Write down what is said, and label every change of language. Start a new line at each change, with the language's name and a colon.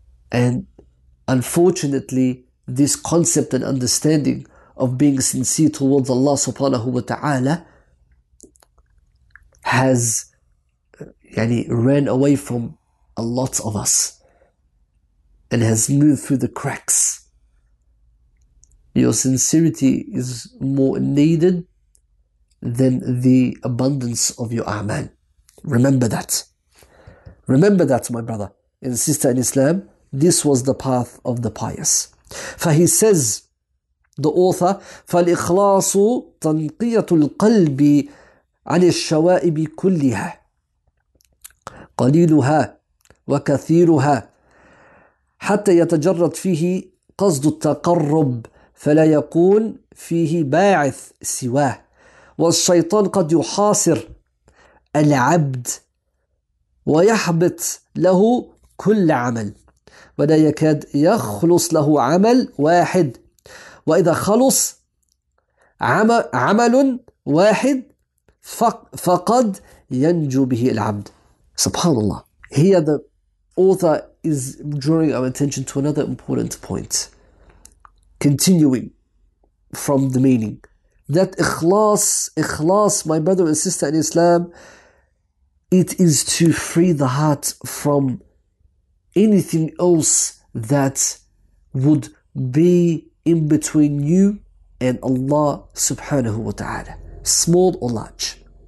English: And unfortunately, this concept and understanding of being sincere towards Allah subhanahu wa ta'ala has ran away from a lot of us and has moved through the cracks. Your sincerity is more needed than the abundance of your aman. Remember that. Remember that, my brother and sister in Islam. This was the path of the pious. For he says, the author,
Arabic: فَالْإِخْلَاصُ تَنْقِيَةُ الْقَلْبِ عَنِ الشَّوَائِبِ كُلِّهَا قليلها وكثيرها حتى يتجرد فيه قصد التقرب فلا يكون فيه باعث سواه والشيطان قد يحاصر العبد ويحبط له كل عمل ولا يكاد يخلص له عمل واحد وإذا خلص عمل واحد فقد ينجو به العبد. Subhanallah.
English: Here the author is drawing our attention to another important point, continuing from the meaning. That ikhlas, my brother and sister in Islam, it is to free the heart from anything else that would be in between you and Allah subhanahu wa ta'ala, small or large.